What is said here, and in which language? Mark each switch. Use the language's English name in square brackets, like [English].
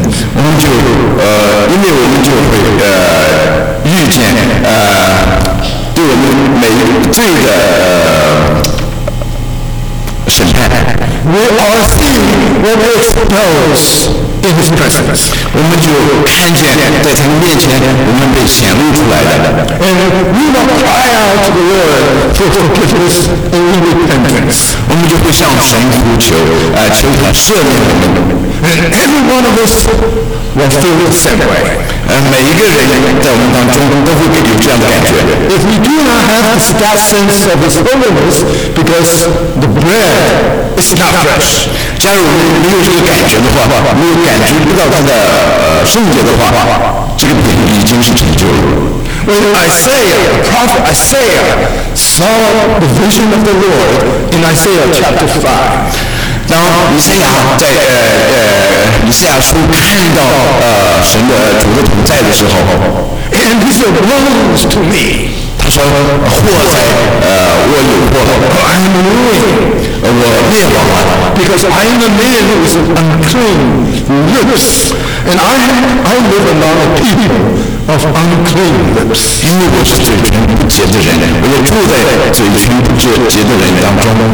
[Chinese] 我们就因为我们就会遇见对我们每一罪的审判。 [English] We are seeing what we expose in His presence. [Chinese] 我们就看见在他面前我们被显露出来的。 [English] And we will cry out to the Lord for forgiveness and repentance. [Chinese] 我们就会向神呼求，求他赦免我们。 [English] And every one of us will feel the same way. [Chinese] 每一个人在我们当中都会有这样的感觉。 [English] If we do not have that sense of His holiness, because the bread is not fresh. [Chinese] 假如我们没有这个感觉的话，没有感觉不到他的圣洁的话，这个饼已经是陈旧了。 [English] When Isaiah, the prophet Isaiah, saw the vision of the Lord in Isaiah chapter 5. [Chinese] 当以赛亚在以赛亚书看到神的主的同在的时候 [English] ，And he said, "Woe to me!" [Chinese] 他说：“祸在我有祸 [English] ，I'm ruined. [Chinese] 我灭亡了 [English] ，because I'm a man who is unclean lips, and I live among a people of unclean lips." [Chinese] 因为我是嘴唇不洁的人，我也住在嘴唇不洁的人当中。